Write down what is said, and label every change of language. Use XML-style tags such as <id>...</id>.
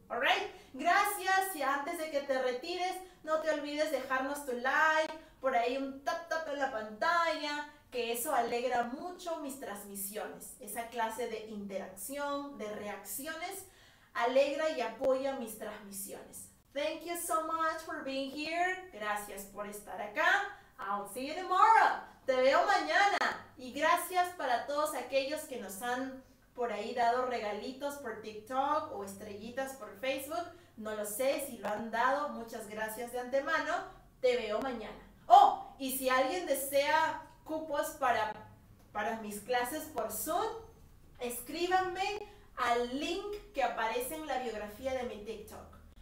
<es>Alright, gracias, y antes de que te retires, no te olvides dejarnos tu like, por ahí un tap tap en la pantalla, que eso alegra mucho mis transmisiones. Esa clase de interacción, de reacciones, alegra y apoya mis transmisiones.</es> <en>Thank you so much for being here.</en> <es>Gracias por estar acá.</es> <en>I'll see you tomorrow.</en> <es>Te veo mañana. Y gracias para todos aquellos que nos han por ahí dado regalitos por TikTok o estrellitas por Facebook. No lo sé si lo han dado. Muchas gracias de antemano. Te veo mañana. Oh, y si alguien desea cupos para mis clases por Zoom, escríbanme al link que aparece en la biografía de mi TikTok.</es>